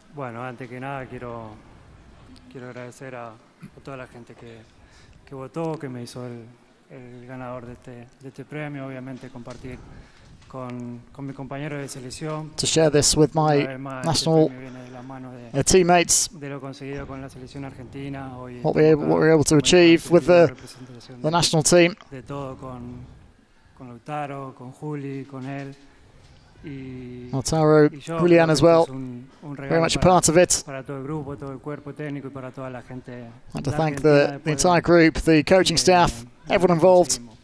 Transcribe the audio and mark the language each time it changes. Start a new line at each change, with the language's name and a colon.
Spanish: Bueno, antes que nada quiero agradecer a toda la gente que votó, que me hizo el ganador de este premio, obviamente compartir con mi compañero de selección.
English: To share this with my national teammates.
Spanish: De lo conseguido con la selección argentina hoy.
English: What we're able to achieve with the national team.
Spanish: De todo con Lautaro, con Juli, con él.
English: Lautaro, Julian as well, very much a part of it. I'd like to thank the entire group, the coaching staff, everyone involved.